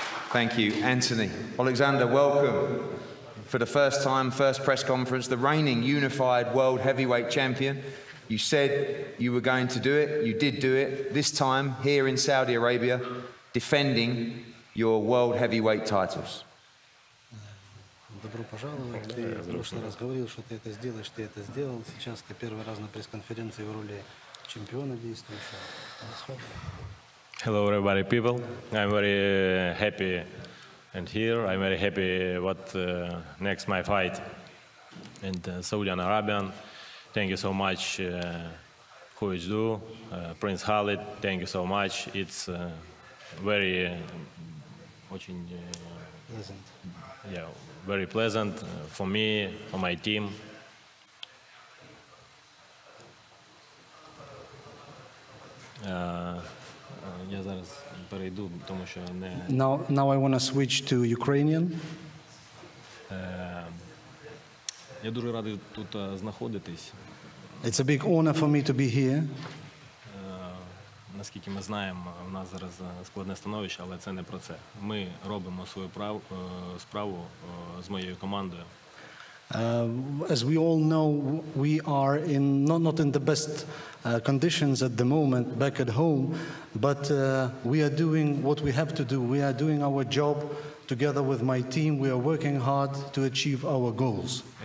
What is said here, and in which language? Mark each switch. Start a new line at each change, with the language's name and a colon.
English: Thank you, Anthony. Oleksandr, welcome. For the first time, first press conference, the reigning unified world heavyweight champion. You said you were going to do it. You did do it. This time, here in Saudi Arabia, defending your world heavyweight titles.
Russian: Добро пожаловать. Ты в прошлый раз говорил, что ты это сделаешь, ты это сделал. Сейчас ты первый раз на пресс-конференции в роли чемпиона действующего.
English: Hello, everybody, people. I'm very happy. And here, I'm very happy what next my fight. And Saudi Arabian, thank you so much, Khujdu, Prince Khalid, thank you so much. It's very, pleasant. Yeah, very pleasant for me, for my team. Now I want to switch to Ukrainian.
Ukrainian: Я дуже радий тут знаходитись.
English: It's a big honor for me to be here.
Ukrainian: Наскільки ми знаємо, в нас зараз складне становище, але це не про це. Ми робимо свою справу з моєю командою.
English: As we all know, we are in not in the best conditions at the moment back at home, but we are doing what we have to do. We are doing our job together with my team. We are working hard to achieve our goals.